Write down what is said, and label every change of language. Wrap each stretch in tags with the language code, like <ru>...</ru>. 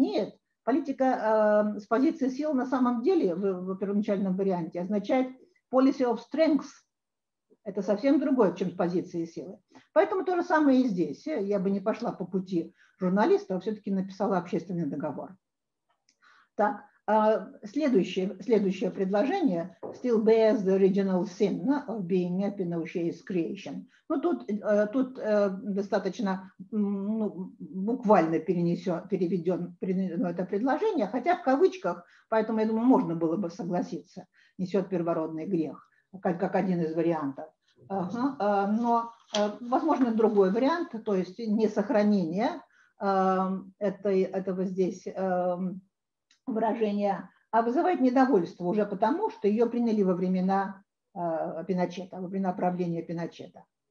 <ru>Нет, политика с позиции силы на самом деле в первоначальном варианте означает</ru> <en>policy of strength.</en> <ru>Это совсем другое, чем с позиции силы. Поэтому то же самое и здесь. Я бы не пошла по пути журналиста, а все-таки написала общественный договор. Так, следующее предложение.</ru> <en>Still bears the original sin of being a Pinochet's creation.</en> <ru>Ну, тут достаточно буквально переведено это предложение, хотя в кавычках, поэтому, я думаю, можно было бы согласиться. Несет первородный грех, как один из вариантов. Но, возможно, другой вариант, то есть не сохранение этого здесь выражения, а вызывает недовольство уже потому, что ее приняли во времена Пиночета, во времена правления Пиночета.</ru>